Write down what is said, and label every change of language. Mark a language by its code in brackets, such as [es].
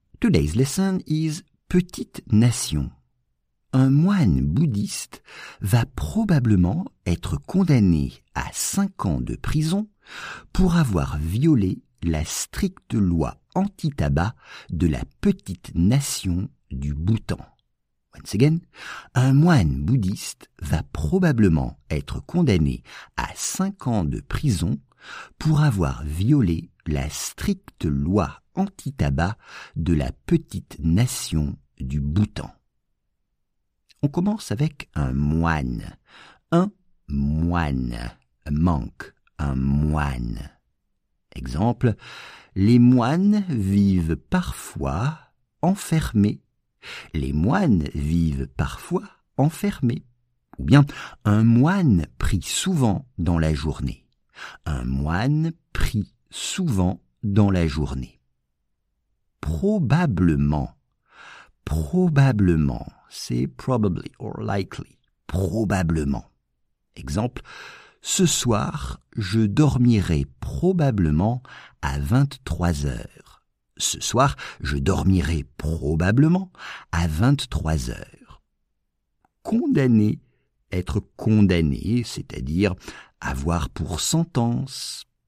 [en] Today's lesson is Petite Nation. [fr] Un moine bouddhiste va probablement être condamné à 5 ans de prison pour avoir violé la stricte loi anti-tabac de la petite nation du Bhoutan. [en] Once again, [fr] un moine bouddhiste va probablement être condamné à 5 ans de prison pour avoir violé la stricte loi anti-tabac de la petite nation du Bhoutan. On commence avec un moine. Un moine. [en] A monk. [fr] Un moine. Exemple. Les moines vivent parfois enfermés. Les moines vivent parfois enfermés. Ou bien, un moine prie souvent dans la journée. Un moine prie souvent dans la journée. Probablement. Probablement. C'est [en] probably or likely. [fr] Probablement. Exemple. Ce soir, je dormirai probablement à 23 heures. Ce soir, je dormirai probablement à 23 heures. Condamné. Être condamné, c'est-à-dire avoir pour sentence.